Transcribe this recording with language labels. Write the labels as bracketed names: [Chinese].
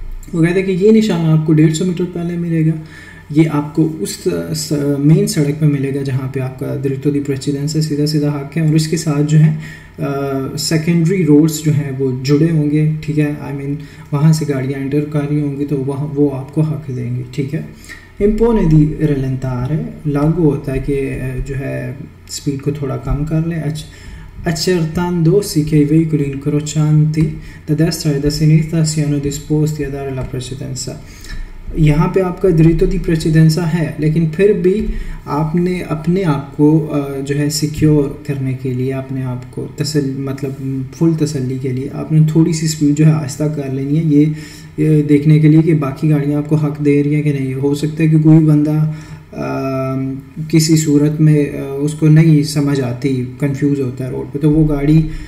[Hindi] वो कहते हैं कि ये निशान आपको 150 मीटर पहले मिलेगा, ये आपको उस मेन सड़क पे मिलेगा जहाँ पे आपका द्रितो दी प्रेसिडेंसा है, सीधा सीधा हक है, और इसके साथ जो है सेकेंडरी रोड्स जो हैं वो जुड़े होंगे, ठीक है, आई मीन वहाँ से गाड़ियाँ एंटर कर रही होंगी, तो वहाँ वो आपको हक देंगे, ठीक है। [Italian] इम्पोने दी रलंतार [Hindi] है, लागू होता है कि जो है स्पीड को थोड़ा कम कर लें, [Italian] accertando sì che i veicoli incrocianti da destra e da sinistra siano disposti a dare la precedenza. [Hindi] यहाँ पे आपका दृत्य दी प्रेसिडेंसा है, लेकिन फिर भी आपने अपने आप को जो है सिक्योर करने के लिए, अपने आप को मतलब फुल तसल्ली के लिए आपने थोड़ी सी स्पीड जो है आहिस्ता कर लेनी है, ये देखने के लिए कि बाकी गाड़ियाँ आपको हक दे रही हैं कि नहीं। हो सकता है कि कोई बंदा किसी सूरत में उसको नहीं समझ आती, कन्फ्यूज होता है रोड पर, तो वो गाड़ी